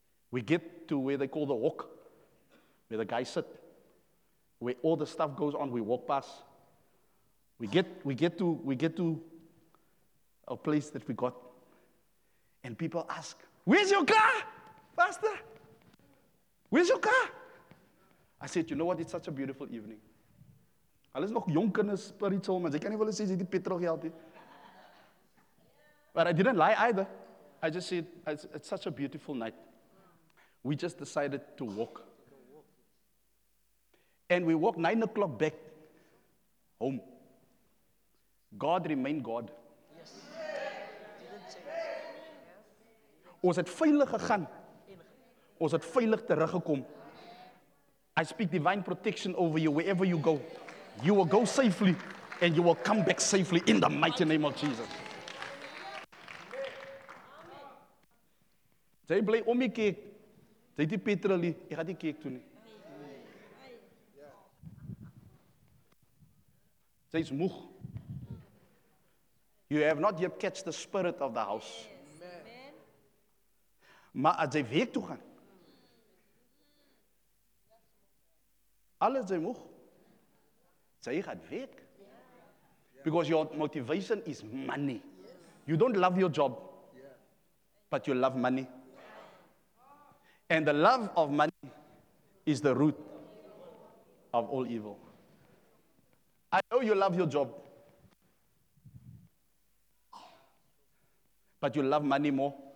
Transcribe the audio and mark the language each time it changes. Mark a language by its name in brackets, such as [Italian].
[English] We get to where they call the walk, where the guys sit, where all the stuff goes on. We walk past. We get to a place that we got. And people ask, where's your car, Pastor? Where's your car? I said, you know what? It's such a beautiful evening. [Afrikaans] Alles nog jong kinders spiritual, maar jy kan nie wel sê jy die petrol geld het. [English] But I didn't lie either. I just said, it's such a beautiful night. We just decided to walk. And we walked 9 o'clock back home. God remained God. [Afrikaans] Ons het veilig gegaan. Ons het veilig teruggekom. [English] I speak divine protection over you wherever you go. You will go safely and you will come back safely in the mighty name of Jesus. [Afrikaans] Jy bly om die kerk. Jy het die petrol nie. Jy gaan die kerk toe nie. Jy is moeg. [English] You have not yet catch the spirit of the house. [Afrikaans] Maar as jy werk toe gaan, alles jy moeg, jy gaat werk. [English] Because your motivation is money. You don't love your job, but you love money. And the love of money is the root of all evil. I know you love your job, but you love money more.